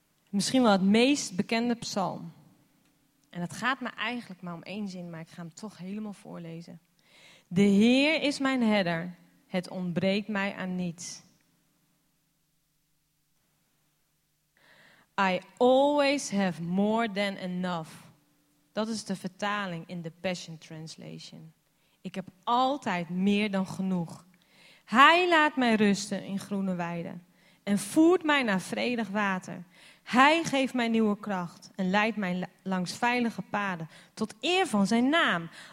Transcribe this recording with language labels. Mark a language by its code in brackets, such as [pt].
[nl] Misschien wel het meest bekende psalm. En het gaat me eigenlijk maar om één zin, maar ik ga hem toch helemaal voorlezen. De Heer is mijn herder, het ontbreekt mij aan niets. [en] I always have more than enough. [nl] Dat is de vertaling in de Passion Translation. Ik heb altijd meer dan genoeg. Hij laat mij rusten in groene weiden en voert mij naar vredig water. Hij geeft mij nieuwe kracht en leidt mij langs veilige paden tot eer van zijn naam.